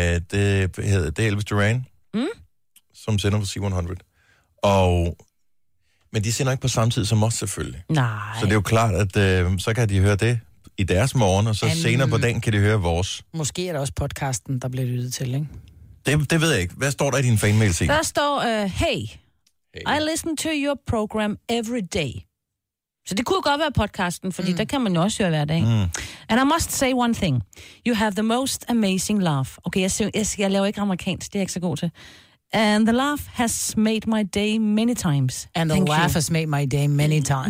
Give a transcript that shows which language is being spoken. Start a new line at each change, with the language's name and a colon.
Danish: Det hedder Elvis Duran, som sender på C100. Og, men de sender ikke på samme tid som os, selvfølgelig. Nej. Så det er jo klart, at så kan de høre det i deres morgen, og så senere på dagen kan de høre vores. Måske er det også podcasten, der bliver lyttet til, ikke? Det ved jeg ikke. Hvad står der i din fanmail scene? Der står,
English: hey, I listen to your program every day.
Danish: Så det kunne godt være podcasten, fordi der kan man jo også høre hver dag.
English: Mm. And I must say one thing. You have the most amazing laugh.
Danish: Okay, jeg laver ikke amerikansk, det er jeg ikke så god til.
English: And the laugh has made my day many times. And the laugh has made my day many times.